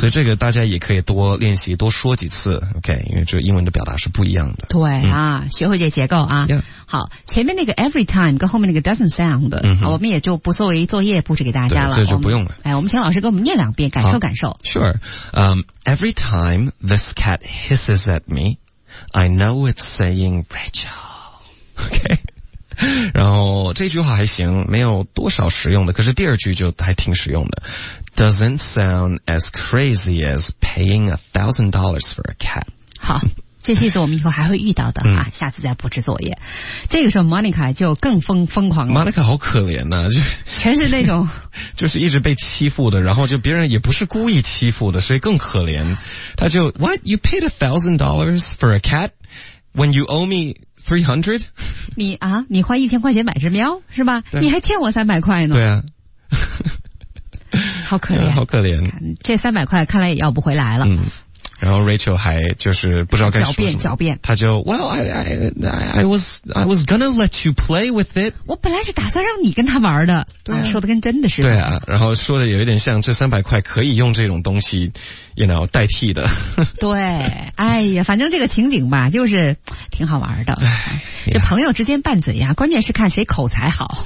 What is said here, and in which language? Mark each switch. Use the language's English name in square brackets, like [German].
[Chinese] 所以这个大家也可以多练习，多说几次 ，OK？因为这英文的表达是不一样的。对、啊，学会这结构啊。 [English] Yeah. [Chinese] 好，前面那个 every time 跟后面那个 doesn't sound，、嗯、我们也就不作为作业布置给大家了，这就不用了。哎，我们请老师给我们念两遍，感受感受。 [English] Sure. Every time this cat hisses at me, I know it's saying Rachel. OK. [Chinese] 然后这句话还行，没有多少实用的，可是第二句就还挺实用的。 [English] Doesn't sound as crazy as paying $1,000 for a cat. [Chinese] 好，这句子我们以后还会遇到的啊，下次再布置作业。这个时候 Monica 就更疯狂了。 Monica 好可怜啊，就全是那种就是一直被欺负的，然后就别人也不是故意欺负的，所以更可怜。他就 What? [English] You paid $1,000 for a cat when you owe me $300? [Chinese] 你花1000块钱买只喵是吧？你还欠我300块呢。对啊。好可怜、好可怜，这300块看来也要不回来了。嗯，然后 Rachel 还就是不知道该说什么，狡辩，他就 [English] Well, I was gonna let you play with it. [Chinese] 我本来是打算让你跟他玩的，对、说的跟真的似的。对啊，然后说的有一点像这300块可以用这种东西 ，you know 代替的。对，哎呀，反正这个情景吧，就是挺好玩的。哎，这朋友之间拌嘴呀、关键是看谁口才好。